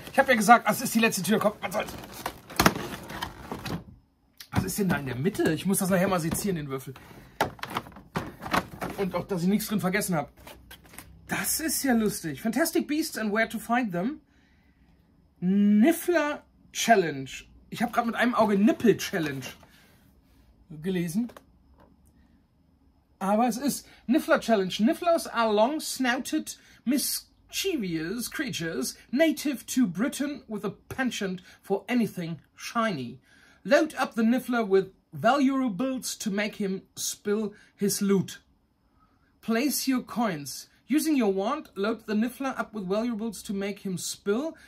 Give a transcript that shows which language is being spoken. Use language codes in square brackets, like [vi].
[de] Ich habe ja gesagt, das ist die letzte Tür, komm, man soll's. Was ist denn da in der Mitte? Ich muss das nachher mal sezieren, den Würfel. Und auch, dass ich nichts drin vergessen habe. Das ist ja lustig. [en] Fantastic Beasts and Where to Find Them. Niffler Challenge. [de] Ich habe gerade mit einem Auge Nippel Challenge gelesen. Aber es ist Niffler Challenge. [en] Nifflers are long-snouted, mischievous creatures native to Britain with a penchant for anything shiny. Load up the Niffler with valuables to make him spill his loot. Place your coins. Using your wand, load the Niffler up with valuables to make him spill.